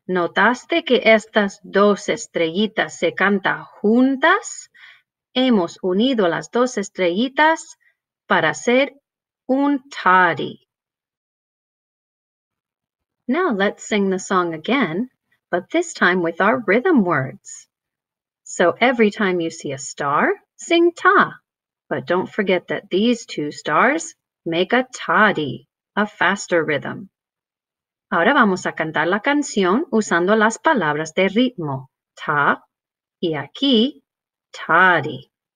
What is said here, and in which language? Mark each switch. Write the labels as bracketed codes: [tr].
[es] ¿Notaste que estas dos estrellitas se canta juntas? Hemos unido las dos estrellitas para hacer un tadi. [en] Now let's sing the song again, but this time with our rhythm words. So every time you see a star, sing ta. But don't forget that these two stars make a tadi, a faster rhythm. [es] Ahora vamos a cantar la canción usando las palabras de ritmo, ta, y aquí, tadi.